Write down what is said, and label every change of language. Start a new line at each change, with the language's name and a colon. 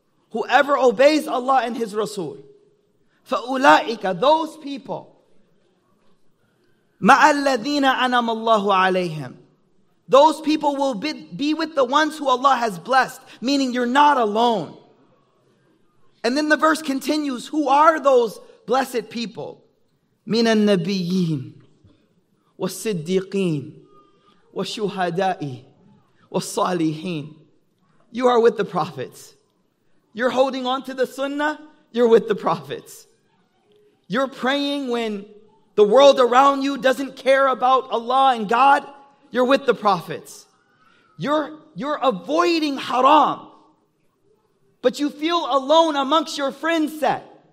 English: Whoever obeys Allah and His Rasul,
Arabic: فَأُولَٰئِكَ,
English: those people,
Arabic: مَعَ الَّذِينَ أَنَمَ اللَّهُ عَلَيْهِمْ,
English: those people will be with the ones who Allah has blessed, meaning you're not alone. And then the verse continues, who are those blessed people?
Arabic: من النبيين والصديقين والشهداء والصالحين.
English: You are with the prophets. You're holding on to the sunnah, you're with the prophets. You're praying when the world around you doesn't care about Allah and God, you're with the prophets. You're avoiding haram, but you feel alone amongst your friend set.